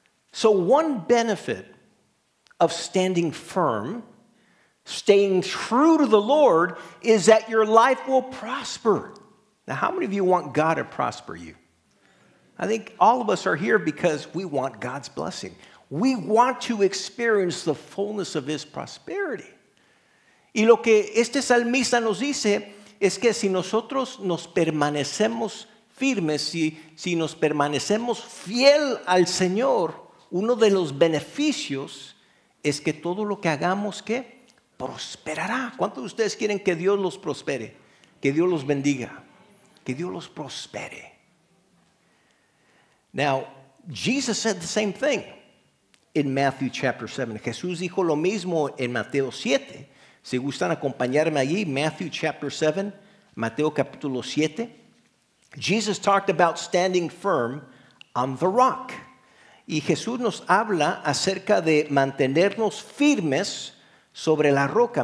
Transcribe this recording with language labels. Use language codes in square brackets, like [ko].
[en] So one benefit of standing firm, staying true to the Lord, is that your life will prosper. Now, how many of you want God to prosper you? I think all of us are here because we want God's blessing. We want to experience the fullness of his prosperity. [es] Y lo que este salmista nos dice es que si nosotros nos permanecemos firmes, si nos permanecemos fiel al Señor, uno de los beneficios es que todo lo que hagamos, ¿qué? Prosperará. ¿Cuántos de ustedes quieren que Dios los prospere? Que Dios los bendiga. Que Dios los prospere. [en] Now, Jesus said the same thing in Matthew chapter 7. [es] Jesús dijo lo mismo en Mateo 7. Si gustan acompañarme allí, [en] Matthew chapter 7, [es] Mateo capítulo 7. [en] Jesus talked about standing firm on the rock. [es] Y Jesús nos habla acerca de mantenernos firmes sobre la roca.